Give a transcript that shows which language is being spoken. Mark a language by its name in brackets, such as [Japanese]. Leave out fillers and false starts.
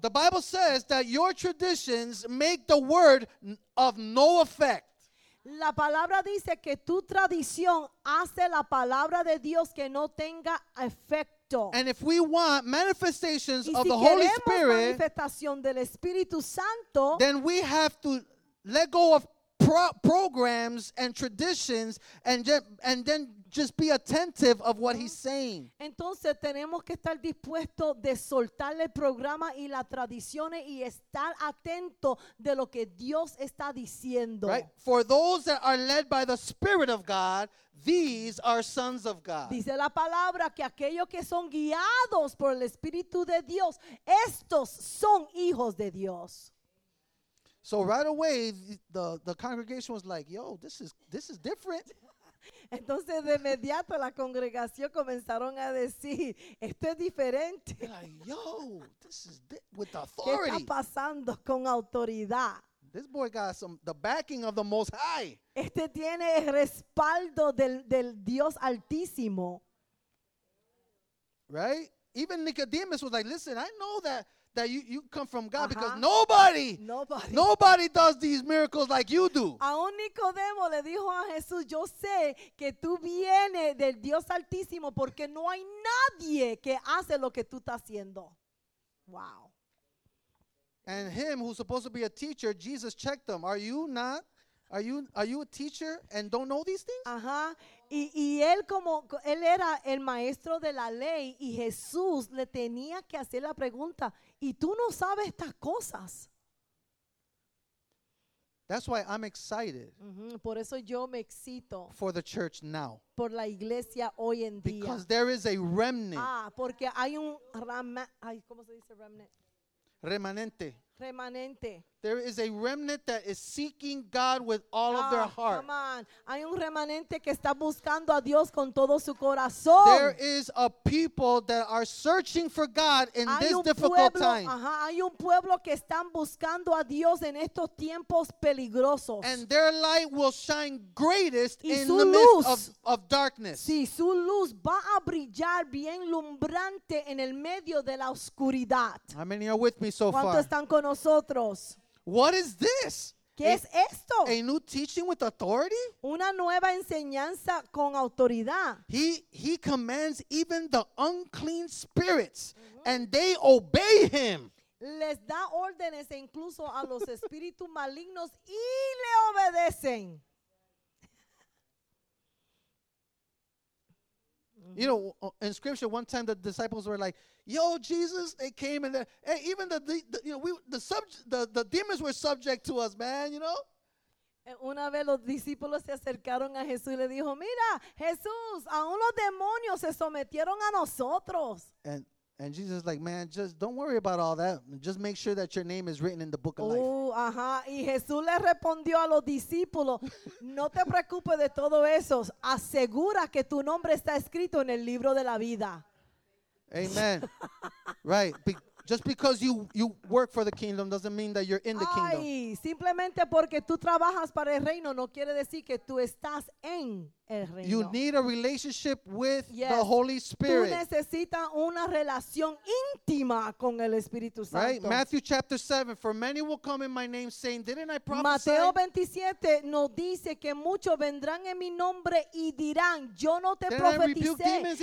[English] The Bible says that your traditions make the word of no effect. [Spanish] La palabra dice que tu tradición hace la palabra de Dios que no tenga efecto. [English] And if we want manifestations of the Holy Spirit, [Spanish] manifestación del Espíritu Santo, [English] then we have to let go of programs and traditions and then just be attentive of what he's saying. [Spanish] Entonces tenemos que estar dispuesto de soltar el programa y las tradiciones y estar atento de lo que Dios está diciendo. [English] Right? For those that are led by the Spirit of God, these are sons of God. [Spanish] Dice la palabra que aquellos que son guiados por el Espíritu de Dios, estos son hijos de Dios. [English] So right away, the congregation was like, yo, this is different. [Spanish] Entonces de inmediato la congregación comenzaron a decir, esto es diferente. [English] Like, yo, this is with authority. [Spanish] ¿Qué está pasando con autoridad? [English] This boy got the backing of the Most High. [Spanish] Este tiene el respaldo del Dios Altísimo. [English] Right? Even Nicodemus was like, listen, I know that you come from God, because nobody does these miracles like you do. [Spanish] Aún Nicodemo le dijo a Jesús, yo sé que tú vienes del Dios Altísimo porque no hay nadie que hace lo que tú estás haciendo. [English] Wow. And him who's supposed to be a teacher, Jesus checked him. Are you a teacher and don't know these things? [Spanish] Y él como él era el maestro de la ley y Jesús le tenía que hacer la pregunta, ¿y tú no sabes estas cosas? [English] That's why I'm excited. [Spanish] Por eso yo me excito. [English] For the church now. [Spanish] Por la iglesia hoy en día. [English] Because there is a remnant. [Spanish] Porque hay un ¿cómo se dice remnant? Remanente. Remanente. [English] There is a remnant that is seeking God with all of their heart. Come on. [Spanish] Hay un remanente que está buscando a Dios con todo su corazón. [English] There is a people that are searching for God in this difficult time. [Spanish] Hay un pueblo que están buscando a Dios en estos tiempos peligrosos. [English] And their light will shine greatest in the midst of darkness. [Spanish] Sí, su luz va a brillar bien lumbrante en el medio de la oscuridad. [English] How many are with me so far? [Spanish] ¿Cuántos están con nosotros. [English] What is this? [Spanish] ¿Qué es esto? [English] A new teaching with authority? [Spanish] Una nueva enseñanza con autoridad. [English] He commands even the unclean spirits, and they obey him. [Spanish] Les da órdenes incluso a los espíritus malignos y le obedecen. [English] You know, in scripture, one time the disciples were like, "Yo, Jesus!" They came and hey, even the demons were subject to us, man. You know. [Spanish] Una vez los discípulos se acercaron a Jesús y le dijo, "Mira, Jesús, aún los demonios se sometieron a nosotros." [English] And Jesus is like, "Man, just don't worry about all that. Just make sure that your name is written in the book of life." [Spanish] Oh, ajá. Y Jesús le respondió a los discípulos, "No te preocupes de todo eso. Asegura que tu nombre está escrito en el libro de la vida." [English] Amen. Right. Just because you work for the kingdom doesn't mean that you're in the kingdom. [Spanish] Ay, simplemente porque tú trabajas para el reino no quiere decir que tú estás en el reino. [English] You need a relationship with the Holy Spirit. [Spanish] Tú necesitas una relación íntima con el Espíritu Santo. [English] Right? Matthew chapter 7, "For many will come in my name saying, didn't I prophesy?" [Spanish] Mateo 27 nos dice que muchos vendrán en mi nombre y dirán, "Yo no te profeticé."